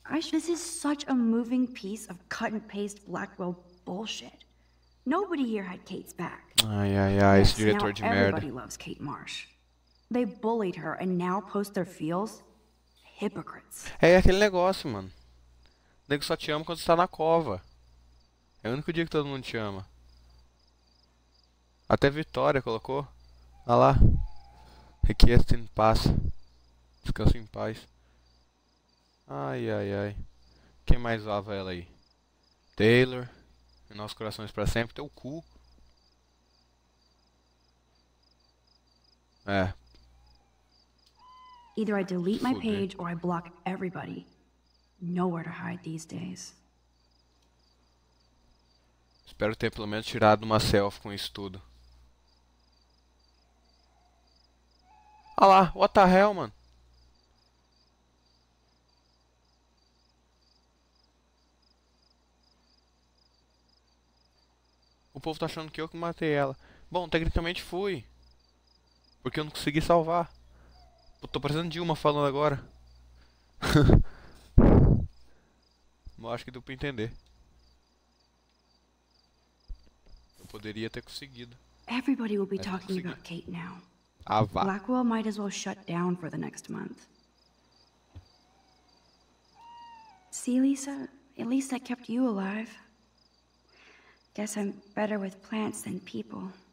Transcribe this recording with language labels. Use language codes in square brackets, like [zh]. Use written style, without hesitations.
[en] This is such a moving piece of cut-and-paste Blackwell bullshit. Nobody here had Kate's back. [pt] Ai, ai, ai, esse [en] Yes, now [pt] diretor de merda. [en] everybody loves Kate Marsh. They bullied her and now post their feels? Hypocrites. [pt] É aquele negócio, mano. O nego só te ama quando você tá na cova. É o único dia que todo mundo te ama. Até Vitória colocou. Olha lá. [en] Request in [pt] paz. Descanso em paz. Ai, ai, ai. Quem mais usava ela aí? Taylor. Em nossos corações pra sempre. Teu cu. É. [en] Either I delete my [pt] Fuder. [en] page or I block everybody. Nowhere to hide these days. [pt] Espero ter pelo menos tirado uma selfie com isso tudo. Olha lá, [en] what the hell, [pt] mano? O povo tá achando que eu que matei ela. Bom, tecnicamente fui. Porque eu não consegui salvar. Pô, tô precisando de uma falando agora. Eu acho que deu pra entender. Eu poderia ter conseguido. [en] Everybody will be [pt] Mas não [en] talking [pt] consegui. [en] about Kate now. [pt] Ah, vá. [en] Blackwell might as well shut down for the next month. See, Lisa, at least I kept you alive. Guess I'm better with plants than people.